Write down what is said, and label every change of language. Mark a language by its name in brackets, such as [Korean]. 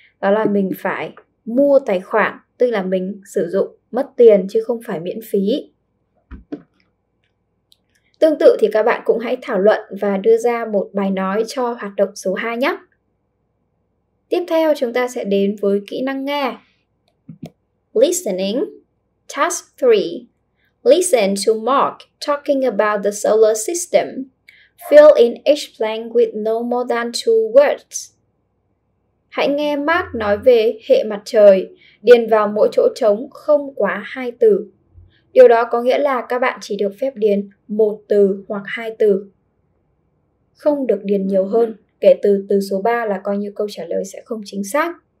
[Vietnamese] Đó là mình phải mua tài khoản, tức là mình sử dụng mất tiền chứ không phải miễn phí. Tương tự thì các bạn cũng hãy thảo luận và đưa ra một bài nói cho hoạt động số 2 nhé. Tiếp theo chúng ta sẽ đến với kỹ năng nghe. [English] Listening, task 3. Listen to Mark talking about the solar system. Fill in each blank with no more than 2 words. [Vietnamese] Hãy nghe Mark nói về hệ mặt trời, điền vào mỗi chỗ trống không quá 2 từ. Điều đó có nghĩa là các bạn chỉ được phép điền 1 từ hoặc 2 từ. Không được điền nhiều hơn, kể từ từ số 3 là coi như câu trả lời sẽ không chính xác.